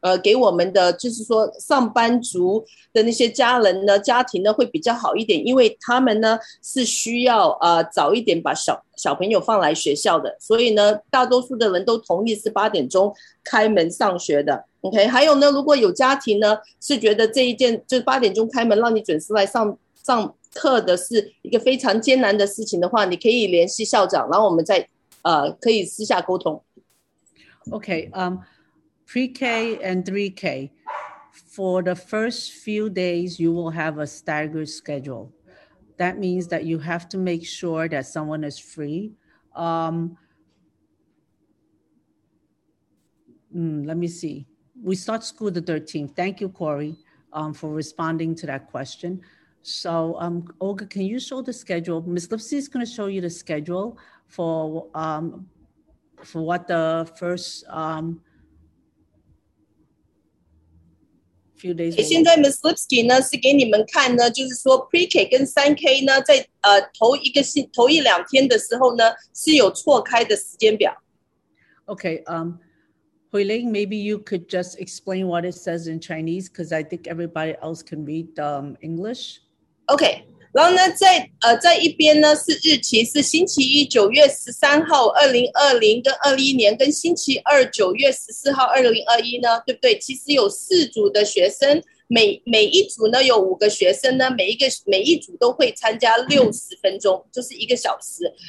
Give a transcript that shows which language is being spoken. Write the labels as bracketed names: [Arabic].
[Chinese] 给我们的就是说上班族的那些家人呢家庭呢会比较好一点，因为他们呢是需要早一点把小朋友放来学校的，所以呢大多数的人都同意是八点钟开门上学的。 OK， 还有呢如果有家庭呢是觉得这一件就是八点钟开门让你准时来上课的是一个非常艰难的事情的话，你可以联系校长，然后我们再可以私下沟通。 [English] OK， Pre-K and 3K, for the first few days, you will have a staggered schedule. That means that you have to make sure that someone is free. Let me see. We start school the 13th. Thank you, Corey, for responding to that question. So, Olga, can you show the schedule? Ms. Lipsy is going to show you the schedule for what the first... few days. [Chinese] 现在 Ms. Lipsky 呢是给你们看呢，就是说 Pre-K 跟 3K 呢在头一两天的时候呢是有错开的时间表。 [English] Okay, Huiling, maybe you could just explain what it says in Chinese because I think everybody else can read English. [Chinese] Okay, 然后呢在一边呢是日期是星期一9月13号2020跟21年跟星期二9月14号2021呢，对不对？其实有四组的学生，每一组呢有五个学生呢，每一组都会参加60分钟，就是一个小时。